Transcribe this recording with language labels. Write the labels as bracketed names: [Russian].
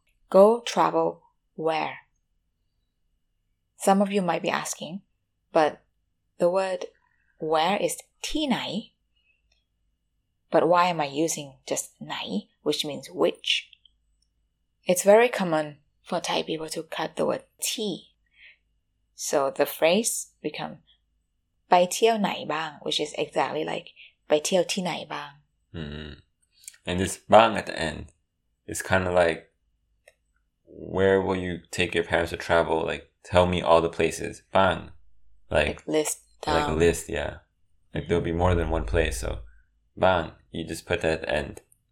[English] Go travel where? Some of you might be asking, but the word where is ที่ไหน? But why am I using just ไหน, which means which? It's very common for Thai people to cut the word ที. So the phrase become [Thai] ไปเที่ยวไหนบ้าง, [English] which is exactly like [Thai] ไปเที่ยวที่ไหนบ้าง. [English] And this bang at the end is kind of like, where will you take your parents to travel? Like, tell me all the places. Bang. Like list. Like list, yeah. Like there'll be more than one place. So bang, you just put that at the end.